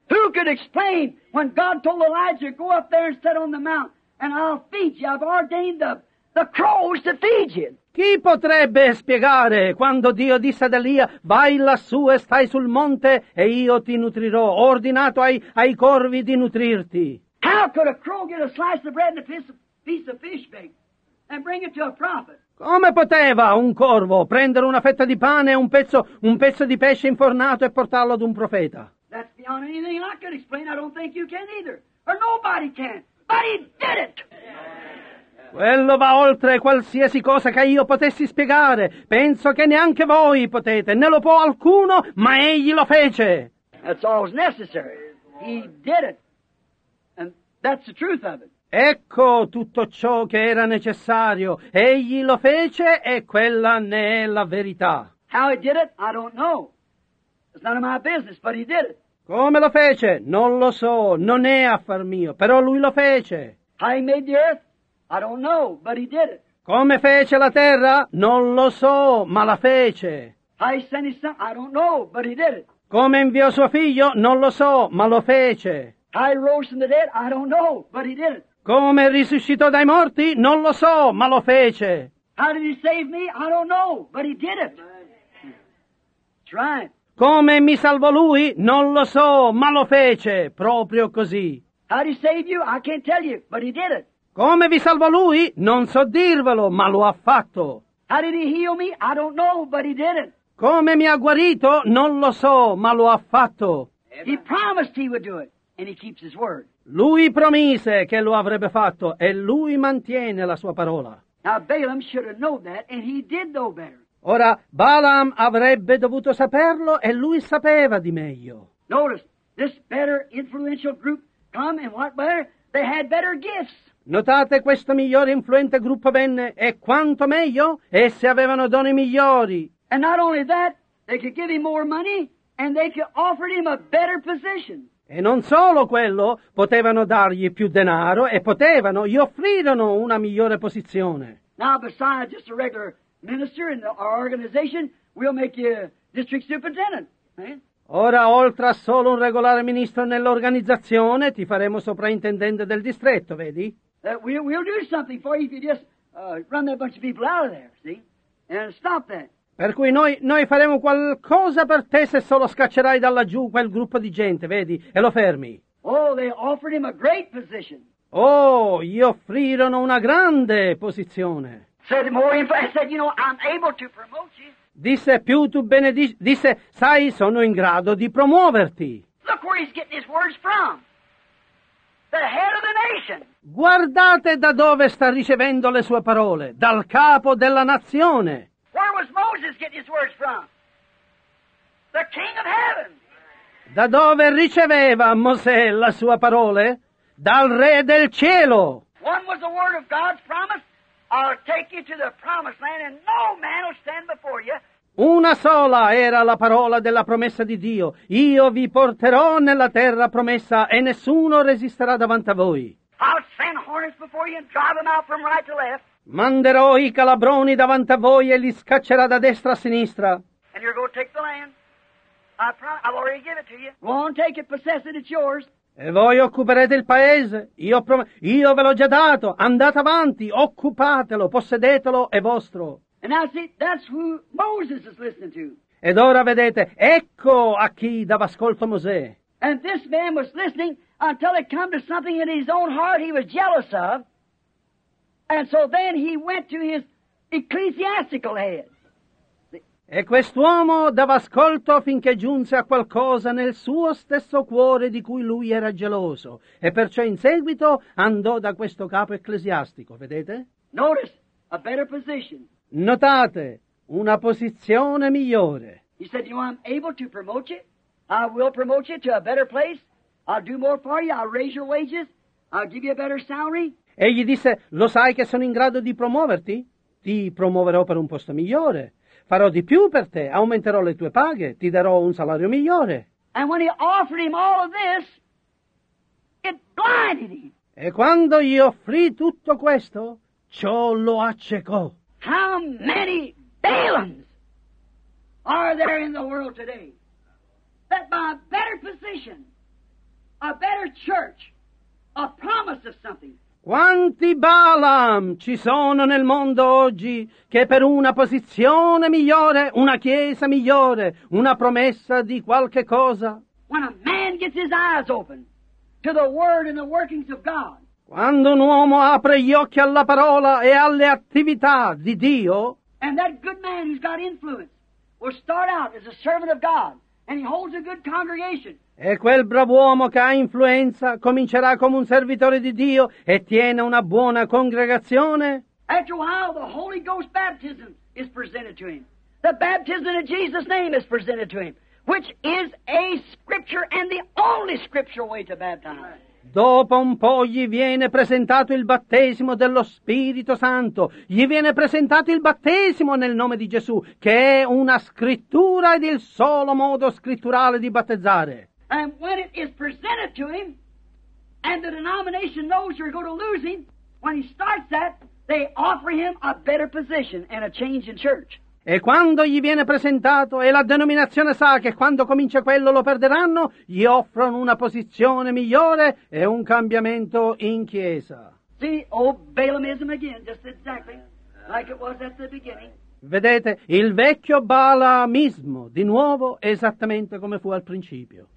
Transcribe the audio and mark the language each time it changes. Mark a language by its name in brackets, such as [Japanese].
[English] Who could explain when God told Elijah, go up there and sit on the mount, and I'll feed you, I've ordained the crows to feed you. [Italian] Chi potrebbe spiegare quando Dio disse ad Elia, vai lassù e stai sul monte e io ti nutrirò, ho ordinato ai corvi di nutrirti. [English] How could a crow get a slice of bread and a piece of fish bait and bring it to a prophet? [Italian] Come poteva un corvo prendere una fetta di pane e un pezzo di pesce infornato e portarlo ad un profeta? [English] That's beyond anything I can explain. I don't think you can either. Or nobody can. But he did it! [Italian] Quello va oltre qualsiasi cosa che io potessi spiegare. Penso che neanche voi potete. Ne lo può alcuno, ma egli lo fece. [English] That's all was necessary. He did it. And that's the truth of it. [Italian] Ecco tutto ciò che era necessario. Egli lo fece e quella ne è la verità. [English] How he did it, I don't know. It's none of my business, but he did it. [Italian] Come lo fece? Non lo so. Non è affar mio. Però lui lo fece. [English] How he made the earth? I don't know, but he did it. [Italian] Come fece la terra? Non lo so, ma la fece. [English] How he sent his son? I don't know, but he did it. [Italian] Come inviò suo figlio? Non lo so, ma lo fece. [English] How he rose from the dead? I don't know, but he did it. [Italian] Come risuscitò dai morti? Non lo so, ma lo fece. [English] How did he save me? I don't know, but he did it. That's right. [Italian] Come mi salvò lui? Non lo so, ma lo fece, proprio così. [English] How did he save you? I can't tell you, but he did it. [Italian] Come vi salvò lui? Non so dirvelo, ma lo ha fatto. [English] How did he heal me? I don't know, but he did it. [Italian] Come mi ha guarito? Non lo so, ma lo ha fatto. [English] He promised he would do it, and he keeps his word. [Italian] Lui promise che lo avrebbe fatto, e lui mantiene la sua parola. [English] Now Balaam should have known that, and he did know better. [Italian] Ora, Balaam avrebbe dovuto saperlo, e lui sapeva di meglio. [English] Notice, this better influential group come, and what better? They had better gifts. [Italian] Notate, questo migliore influente gruppo venne, e quanto meglio, essi avevano doni migliori. [English] And not only that, they could give him more money, and they could offer him a better position. [Italian] E non solo quello, potevano dargli più denaro, e potevano, gli offrirono una migliore posizione. [English] Now besides just a regular minister in our organization, we'll make you a district superintendent. [Italian] Ora, oltre a solo un regolare ministro nell'organizzazione, ti faremo soprintendente del distretto, vedi? [English] We'll do something for you if you just run that bunch of people out of there, see? And stop that. [Italian] Per cui noi faremo qualcosa per te se solo scaccerai da laggiù quel gruppo di gente, vedi? E lo fermi. [English] Oh, they offered him a great position. [Italian] Oh, gli offrirono una grande posizione. [English] Said more info. I said, you know, I'm able to promote you. [Italian] Disse, più tu benedici, disse, sai, sono in grado di promuoverti. [English] Look where he's getting his words from. The head of the nation. [Italian] Guardate da dove sta ricevendo le sue parole. Dal capo della nazione. [English] Where was Moses getting his words from? The king of heaven. [Italian] Da dove riceveva Mosè la sua parole? Dal re del cielo. [English] One was the word of God's promise. I'll take you to the promised land and no man will stand before you. [Italian] Una sola era la parola della promessa di Dio. Io vi porterò nella terra promessa e nessuno resisterà davanti a voi. [English] I'll send hornets before you and drive them out from right to left. [Italian] Manderò i calabroni davanti a voi e li scaccerà da destra a sinistra. [English] And you're going to take the land. I've already given it to you. Go on, take it, possess it, it's yours. [Italian] E voi occuperete il paese, io ve l'ho già dato, andate avanti, occupatelo, possedetelo, è vostro. [English] And now see, that's who Moses is listening to. [Italian] Ed ora vedete, ecco a chi dava ascolto Mosè. [English] And this man was listening until it come to something in his own heart he was jealous of. And so then he went to his ecclesiastical head. [Italian] E quest'uomo dava ascolto finché giunse a qualcosa nel suo stesso cuore di cui lui era geloso, e perciò in seguito andò da questo capo ecclesiastico, vedete? [English] Notice, a better position. [Italian] Notate, una posizione migliore. [English] He said, you know, I'm able to promote you. I will promote you to a better place. I'll do more for you. I'll raise your wages. I'll give you a better salary. [Italian] Egli disse, lo sai che sono in grado di promuoverti? Ti promuoverò per un posto migliore. Farò di più per te, aumenterò le tue paghe, ti darò un salario migliore. [English] And when he offered him all of this, it blinded him. [Italian] E quando gli offrì tutto questo, ciò lo accecò. [English] How many Balaams are there in the world today that by a better position, a better church, a promise of something? [Italian] Quanti Balaam ci sono nel mondo oggi che per una posizione migliore, una chiesa migliore, una promessa di qualche cosa? [English] When a man gets his eyes open to the word and the workings of God. [Italian] Quando un uomo apre gli occhi alla parola e alle attività di Dio. [English] And that good man who's got influence will start out as a servant of God and he holds a good congregation. [Italian] E quel brav'uomo che ha influenza comincerà come un servitore di Dio e tiene una buona congregazione. [English] After a while, the Holy Ghost baptism is presented to him. The baptism in Jesus' name is presented to him, which is a scripture and the only scripture way to baptize. [Italian] Dopo un po' gli viene presentato il battesimo dello Spirito Santo. Gli viene presentato il battesimo nel nome di Gesù, che è una scrittura ed il solo modo scritturale di battezzare. [English] And when it is presented to him, and the denomination knows you're going to lose him, when he starts that, they offer him a better position and a change in church. [Italian] E quando gli viene presentato, e la denominazione sa che quando comincia quello lo perderanno, gli offrono una posizione migliore e un cambiamento in chiesa. [English] See, old Balaamism again, just exactly like it was at the beginning. [Italian] Vedete, il vecchio Balaamismo, di nuovo, esattamente come fu al principio.